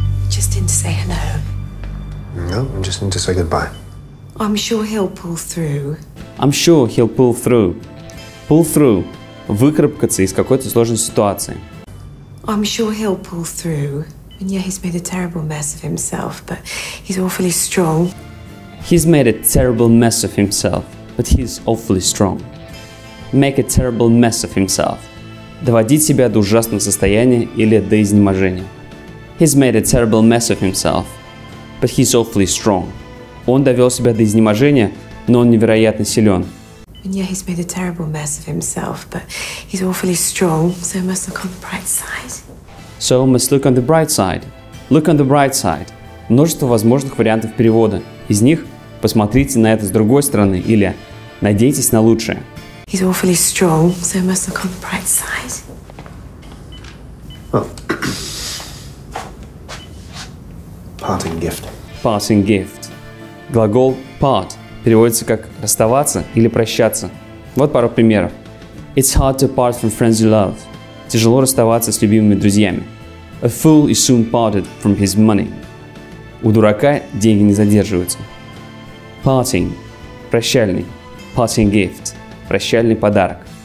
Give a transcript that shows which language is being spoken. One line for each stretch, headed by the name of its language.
English: Just in to say hello. No, I'm just in to say goodbye. I'm sure he'll pull through. I'm sure he'll pull through. Pull through.
Russian: Выкарабкаться из какой-то сложной ситуации.
English: I'm sure he'll pull through. And yeah, he's made a terrible mess of himself, but he's awfully strong. He's made a terrible mess of himself, but he's awfully strong. Make a terrible mess of himself.
Russian: Доводить себя до ужасного состояния или до изнеможения.
English: He's made a terrible mess of himself, but he's awfully strong.
Russian: Он довел себя до изнеможения, но он невероятно силен.
English: And yeah, he's made a terrible mess of himself, but he's awfully strong, so he must look on the bright side. So must look on the bright side. Look on the bright side.
Russian: Множество возможных вариантов перевода. Из них посмотрите на это с другой стороны или надейтесь на лучшее.
English: He's awfully strong, so he must look on the bright side. Oh. Parting gift. Parting gift.
Russian: Глагол part переводится как расставаться или прощаться. Вот пару примеров.
English: It's hard to part from friends you love.
Russian: Тяжело расставаться с любимыми друзьями.
English: A fool is soon parted from his money.
Russian: У дурака деньги не задерживаются.
English: Parting.
Russian: Прощальный.
English: Parting gift.
Russian: Прощальный подарок.